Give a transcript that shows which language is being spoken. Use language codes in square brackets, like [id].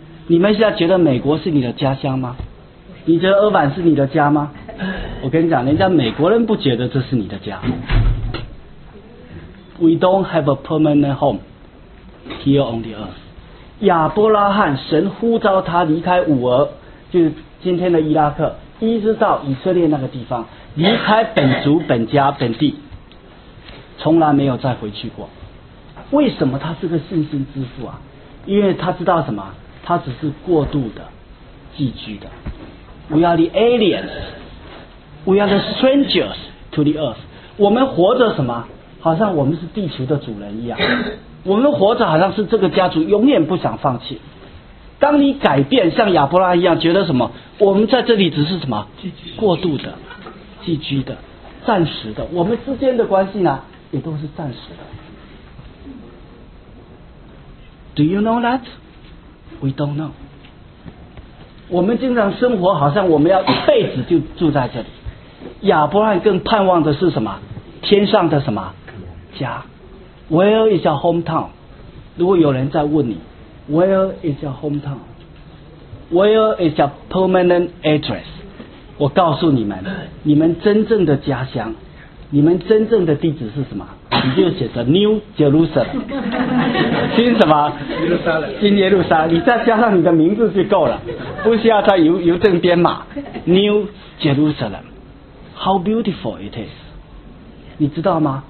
[zh] 你们现在觉得美国是你的家乡吗？你觉得俄版是你的家吗？我跟你讲，人家美国人不觉得这是你的家。 [en] We don't have a permanent home here on the earth。 [zh] 亚伯拉罕，神呼召他离开乌尔，就是今天的伊拉克，一直到以色列那个地方，离开本族本家本地，从来没有再回去过。为什么他是个信心之父啊？因为他知道什么？他只是过度的寄居的。 [en] We are the aliens We are the strangers to the earth. [zh] 我们活着什么？好像我们是地球的主人一样。我们活着好像是这个家族永远不想放弃。当你改变，像亚伯拉一样，觉得什么？我们在这里只是什么？过渡的、寄居的、暂时的。我们之间的关系呢，也都是暂时的。 [en] Do you know that? We don't know. [zh] 我们经常生活好像我们要一辈子就住在这里。亚伯拉更盼望的是什么？天上的什么家？ [en] Where is your hometown? [zh] 如果有人在问你， [en] Where is your hometown? Where is your permanent address? [zh] 我告诉你们，你们真正的家乡，你们真正的地址是什么？你就写着 New Jerusalem， 新什么？新耶路撒冷。你再加上你的名字就够了，不需要再邮政编码。 [en] New Jerusalem， How beautiful it is！ [zh] 你知道吗？